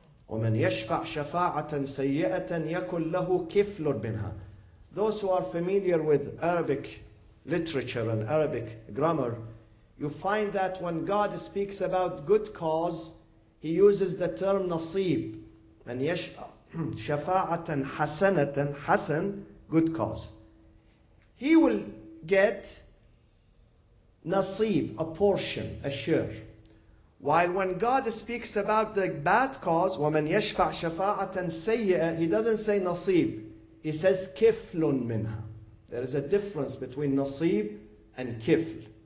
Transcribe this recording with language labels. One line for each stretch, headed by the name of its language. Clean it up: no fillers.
Arabic: وَمَنْ يَشْفَعْ شَفَاعَةً سَيِّئَةً يَكُلْ لَهُ كِفْلٌ مِنْهَا.
English: Those who are familiar with Arabic literature and Arabic grammar, you find that when God speaks about good cause, he uses the term nasib.
Arabic: مَنْ يَشْفَعْ شَفَاعَةً حَسَنَةً حَسَنْ,
English: good cause. He will get nasib, a portion, a share. While when God speaks about the bad cause,
Arabic: وَمَنْ يَشْفَعْ شَفَاعَةً سَيِّئَةً,
English: he doesn't say nasib. He says kiflun minha. There is a difference between nasib and kifl.